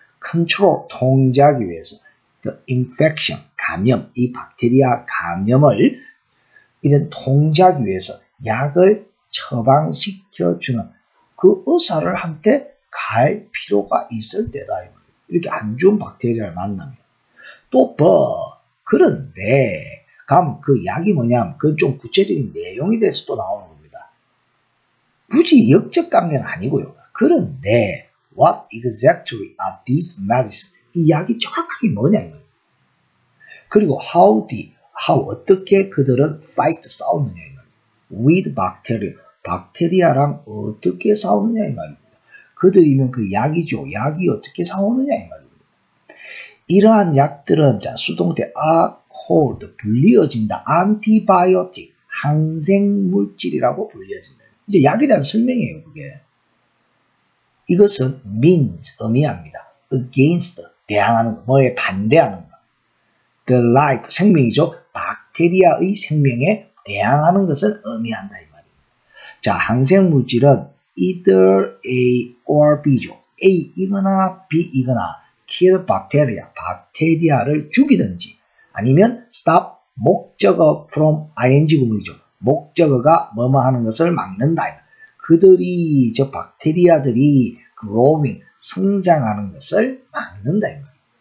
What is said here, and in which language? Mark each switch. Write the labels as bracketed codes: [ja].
[ko] Control, 통제하기 위해서. The infection, 감염, 이 박테리아 감염을 이런 통제하기 위해서 약을 처방시켜주는 그 의사를한테 갈 필요가 있을 때다. 이렇게 안 좋은 박테리아를 만나면. 또 뭐, 그런데 감 그 약이 뭐냐, 그건 좀 구체적인 내용에 대해서 또 나오는 겁니다. 굳이 역적 관계는 아니고요. 그런데 [en] what exactly are these medicines? [ko] 이 약이 정확하게 뭐냐 이거예요. 그리고 how 어떻게 그들은 fight 싸우느냐 이 말입니다. With bacteria, 박테리아랑 어떻게 싸우느냐 이 말입니다. 그들이면 그 약이죠. 약이 어떻게 싸우느냐 이 말입니다. 이러한 약들은 자 수동태 cold, 불리어진다. Antibiotic, 항생물질이라고 불리어진다. 이제 약에 대한 설명이에요, 그게. 이것은 means, 의미합니다. Against, 대항하는 거, 뭐에 반대하는 거. The life, 생명이죠. 박테리아의 생명에 대항하는 것을 의미한다 이 말입니다. 자, 항생물질은 either A or B죠. A이거나 B이거나 [en] kill bacteria, [ko] 박테리아를 죽이든지 아니면 stop 목적어 from ing 부분이죠. 목적어가 뭐뭐 하는 것을 막는다. 그들이 저 박테리아들이 growing 성장하는 것을 막는다 이 말입니다.